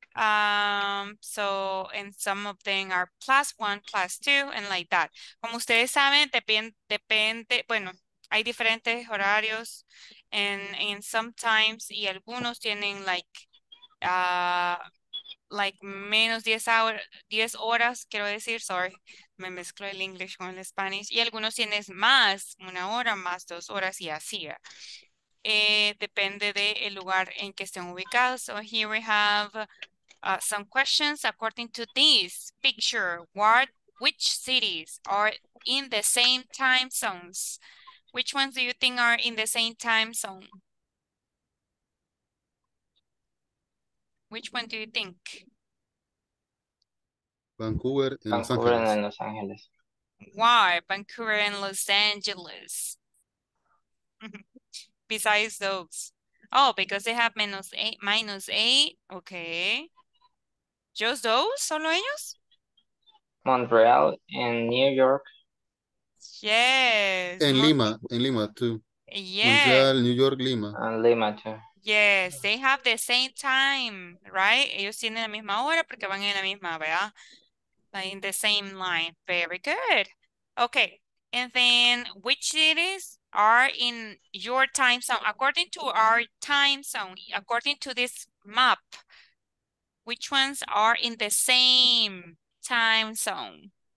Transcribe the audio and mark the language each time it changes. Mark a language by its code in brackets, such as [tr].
[en] And some of them are plus 1, plus 2, and like that. [es] Como ustedes saben, depende, bueno, hay diferentes horarios, [en] and sometimes, [es] y algunos tienen [en] like [es] menos 10 horas, quiero decir, [en] sorry, [es] me mezclo el English con el Spanish, y algunos tienes más, una hora, más 2 horas, y así. Depende de el lugar en que estén ubicados. [en] So here we have some questions according to this picture. Which cities are in the same time zones? Which ones do you think are in the same time zone? Which one do you think? Vancouver and Los Angeles. Why? Vancouver and Los Angeles. Besides those. Oh, because they have minus eight. Okay. Just those? [es] Solo ellos? [en] Montreal and New York. Yes. And Lima. In Lima too. Yes. Montreal, New York, Lima. And Lima too. Yes, they have the same time, right? [es] Ellos tienen la misma hora porque van en la misma, ¿verdad? [en] In the same line. Very good. Okay. And then which cities are in your time zone? According to our time zone, according to this map, which ones are in the same time zone?